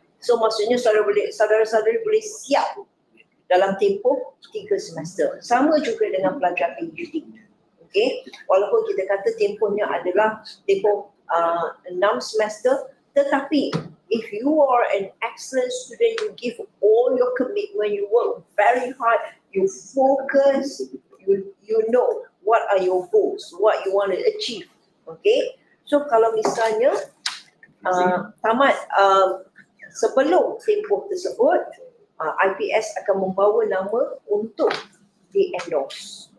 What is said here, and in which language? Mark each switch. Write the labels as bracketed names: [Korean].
[Malay] So maksudnya saudara-saudara boleh siap dalam tempoh 3 semester. Sama juga dengan pelajar PhD. [English] Okay? [Malay] Walaupun kita kata tempohnya adalah tempoh 6 semester, tetapi [English] if you are an excellent student, you give all your commitment, you work very hard, you focus, you know what are your goals, what you want to achieve. Okay? [Malay] So kalau misalnya tamat sebelum tempoh tersebut, IPS akan membawa nama untuk di endorse.